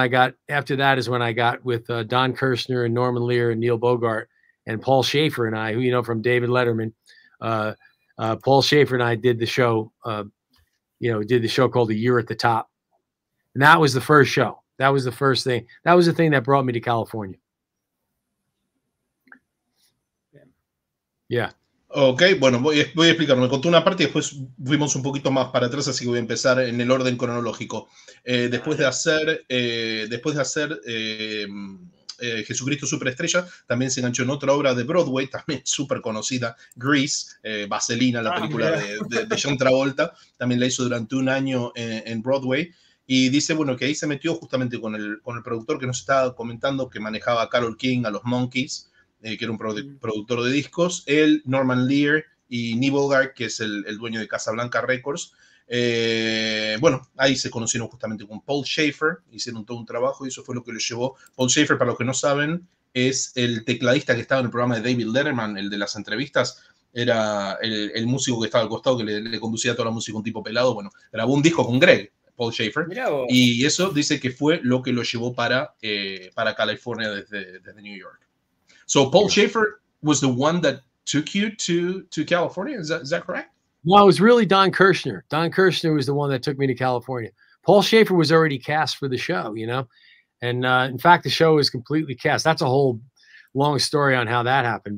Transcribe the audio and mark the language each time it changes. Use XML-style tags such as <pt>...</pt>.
<en>And then after that is when I got with Don Kirshner and Norman Lear and Neil Bogart and Paul Schaefer and I, who, you know, from David Letterman, Paul Schaefer and I did the show, did the show called A Year at the Top. And that was the first show. That was the first thing. That was the thing that brought me to California. Yeah.</en> <es>Ok, bueno, voy a explicar. Me contó una parte y después fuimos un poquito más para atrás, así que voy a empezar en el orden cronológico. Después de hacer Jesucristo Superestrella, también se enganchó en otra obra de Broadway, también súper conocida, Grease, Vaselina, la película de John Travolta. También la hizo durante un año en Broadway. Y dice, bueno, que ahí se metió justamente con el productor que nos estaba comentando, que manejaba a Carole King, a los Monkees, que era un productor de discos, él, Norman Lear y Neville Gard, que es el dueño de Casablanca Records. Bueno, ahí se conocieron justamente con Paul Schaefer, hicieron todo un trabajo y eso fue lo que lo llevó. Paul Schaefer, para los que no saben, es el tecladista que estaba en el programa de David Letterman, el de las entrevistas, era el músico que estaba al costado, que le conducía toda la música, un tipo pelado. Bueno, grabó un disco con Greg, Paul Schaefer, y eso dice que fue lo que lo llevó para California desde New York.</es> <en>So Paul Schaefer was the one that took you to California? Is that correct? No, it was really Don Kirshner. Don Kirshner was the one that took me to California. Paul Schaefer was already cast for the show, you know? And in fact, the show was completely cast. That's a whole long story on how that happened.</en>